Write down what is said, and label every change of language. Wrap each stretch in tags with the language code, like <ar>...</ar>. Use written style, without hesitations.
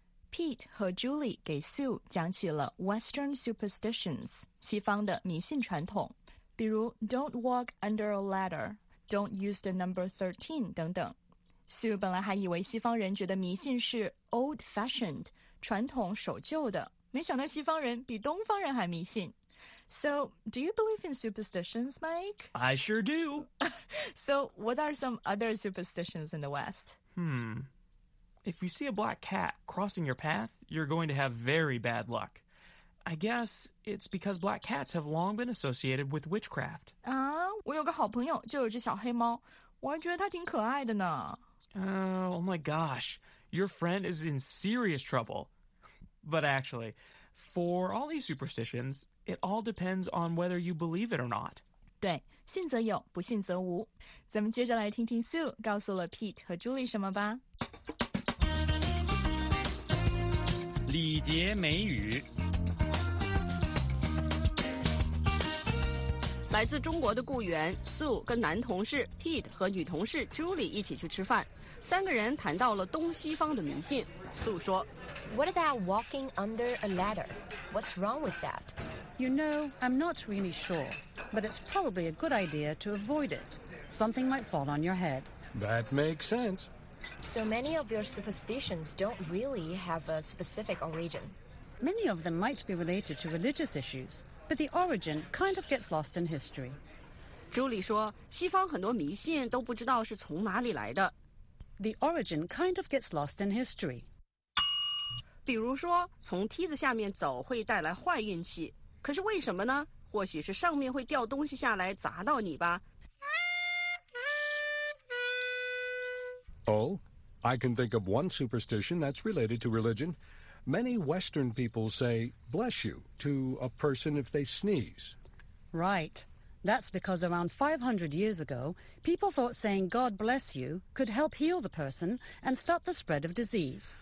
<zh>Pete 和 Julie 给 Sue 讲起了</zh> <en>Western superstitions</en> <zh>西方的迷信传统，比如</zh> <en>Don't walk under a ladder， Don't use the number 13</en> <zh>等等。 Sue 本来还以为西方人觉得迷信是 old-fashioned, 传统守旧的，没想到西方人比东方人还迷信。</zh> <en>So, do you believe in superstitions, Mike? I sure do. So, what are some other superstitions in the West? If you see a black cat crossing your path, you're going to have very bad luck. I guess it's because black cats have long been associated with witchcraft.</en> <zh>啊，我有个好朋友就有只小黑猫，我还觉得它挺可爱的呢。</zh> <en>Oh my gosh, your friend is in serious trouble. But actually, for all these superstitions, it all depends on whether you believe it or not.</en> <zh>对，信则有，不信则无。咱们接着来听听 Sue 告诉了 Pete 和 Julie 什么吧。礼节美语。来自中国的雇员 Sue 跟男同事 Pete 和女同事 Julie 一起去吃饭，三个人谈到了东西方的迷信。 Sue 说</zh> <en>What about walking under a ladder? What's wrong with that? You know, I'm not really sure, but it's probably a good idea to avoid it. Something might fall on your head. That makes sense. So many of your superstitions don't really have a specific origin. Many of them might be related to religious issues. But the origin kind of gets lost in history.</en> <zh>Julie 说，西方很多迷信都不知道是从哪里来的。</zh> <en>The origin kind of gets lost in history.</en> <zh>比如说，从梯子下面走会带来坏运气，可是为什么呢？或许是上面会掉东西下来砸到你吧。</zh> <en>Oh, I can think of one superstition that's related to religion. Many Western people say bless you to a person if they sneeze. Right. That's because around 500 years ago, people thought saying God bless you could help heal the person and stop the spread of disease.</en>